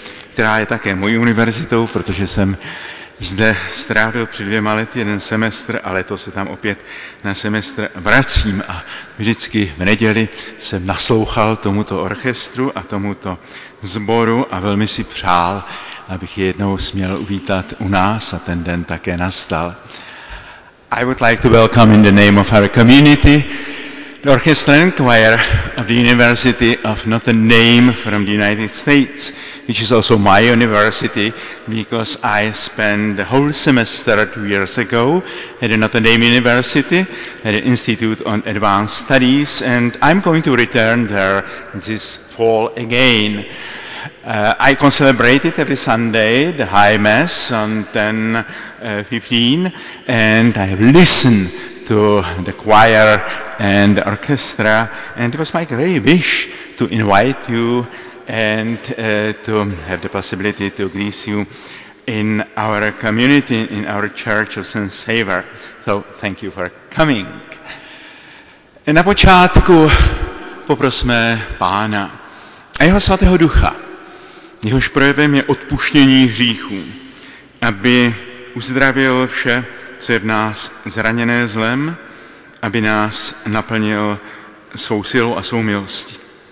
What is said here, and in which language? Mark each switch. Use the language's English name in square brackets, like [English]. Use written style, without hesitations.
[Czech] která je také mojí univerzitou, protože jsem zde strávil před 2 lety jeden semestr a letos se tam opět na semestr vracím a vždycky v neděli jsem naslouchal tomuto orchestru a tomuto sboru a velmi si přál, abych je jednou směl uvítat u nás a ten den také nastal. [English] I would like to welcome in the name of our community the orchestra and choir of the University of Notre Dame from the United States, which is also my university, because I spent the whole semester 2 years ago at Notre Dame University, at the Institute on Advanced Studies, and I'm going to return there this fall again. I can celebrate it every Sunday, the High Mass on 10:15, and I have listened to the choir and the orchestra, and it was my great wish to invite you and to have the possibility to greet you in our community, in our Church of St. Saviour. So thank you for coming. [Czech] Na počátku poprosme Pána a Jeho Svatého Ducha, jehož projevem je odpuštění hříchů, aby uzdravil vše, co je v nás zraněné zlem, aby nás naplnil svou silou a svou milostí.